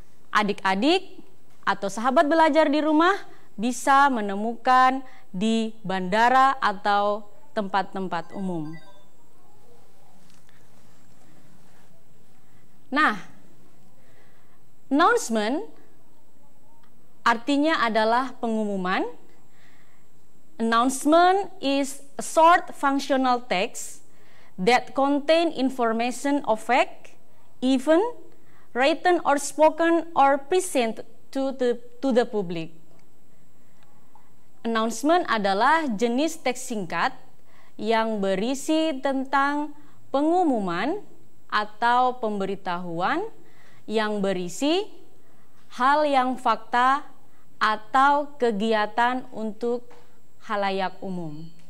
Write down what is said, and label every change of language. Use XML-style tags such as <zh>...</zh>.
<id>Adik-adik atau sahabat belajar di rumah bisa menemukan di bandara atau tempat-tempat umum. Nah, announcement artinya adalah pengumuman.</id> <en>Announcement is a short functional text that contain information of fact, event, written or spoken or present to the public.</en> <id>Announcement adalah jenis teks singkat yang berisi tentang pengumuman atau pemberitahuan yang berisi hal yang fakta atau kegiatan untuk khalayak umum.</id>